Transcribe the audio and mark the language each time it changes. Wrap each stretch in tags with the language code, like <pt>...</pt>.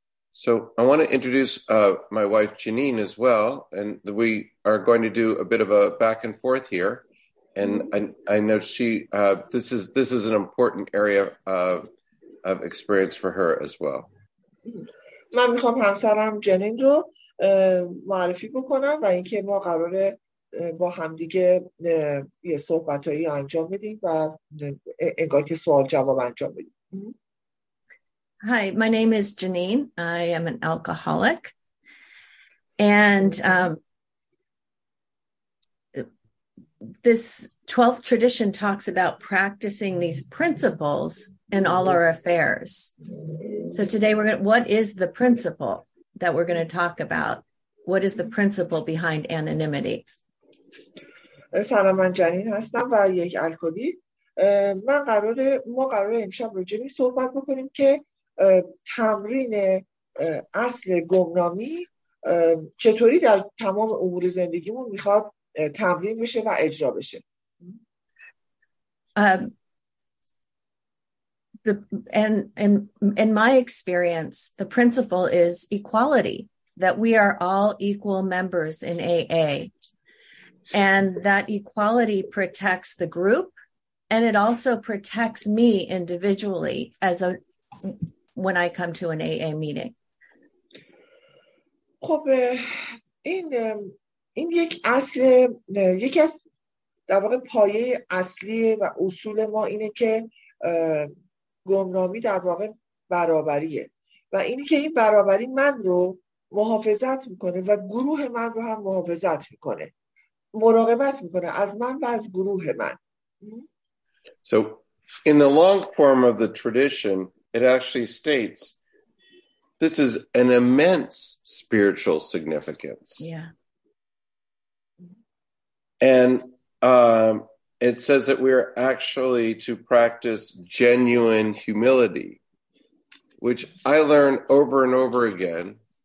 <en>So I want to introduce my wife Janine as well, and we are going to do a bit of a back and forth here, and I know she this is an important area of experience for her as well.</en> <fa>من میخوام همسرم جنین رو معرفی بکنم و اینکه ما قراره با همدیگه یه صحبتایی انجام بدیم و انگار که سوال جواب انجام بدیم.</fa> <en>Hi, my name is Janine. I am an alcoholic. And this 12th tradition talks about practicing these principles in all our affairs. So today we're going to, what is the principle that we're going to talk about? What is the principle behind anonymity?</en> <fa>سلام، من جنین هستم و یک الکلی. ما قرار امشب راجع به صحبت بکنیم که تمرین اصل گمنامی چطوری در تمام امور زندگیمون میخواد تمرین بشه و اجرا بشه.</fa> <en>In my experience, the principle is equality, that we are all equal members in AA. And that equality protects the group, and it also protects me individually as a when I come to an AA meeting.</en> <fa>خب این یک اصل یکی از در واقع پایه اصلی و اصول ما اینه که گمنامی در واقع برابریه و اینی که این برابری من رو محافظت میکنه و گروه من رو هم محافظت میکنه مراقبت میکنه از من و از گروه من.</fa> <en>So in the long form of the tradition it actually states this is an immense spiritual significance. Yeah. And it says that we are actually to practice genuine humility, which I learned over and over again.</en>